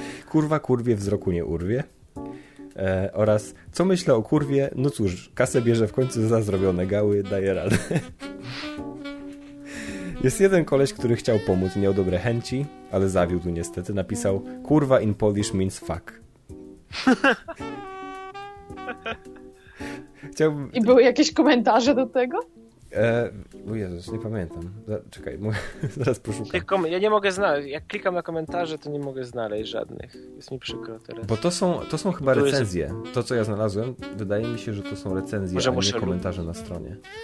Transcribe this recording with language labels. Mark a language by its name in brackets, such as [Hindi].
[Polish] Kurwa kurwie wzroku nie urwie. Oraz co myślę o kurwie? No cóż, kasę bierze w końcu za zrobione gały, daje radę. Jest jeden koleś, który chciał pomóc, miał dobre chęci, ale zawiódł niestety. Napisał, [English] kurwa in Polish means fuck. [Polish] I były jakieś komentarze do tego? O Jezus, nie pamiętam. Czekaj, zaraz poszukam. Ja nie mogę znaleźć. Jak klikam na komentarze, to nie mogę znaleźć żadnych. Jest mi przykro teraz. Bo to są chyba recenzje. To, co ja znalazłem, wydaje mi się, że to są recenzje, a nie komentarze na stronie.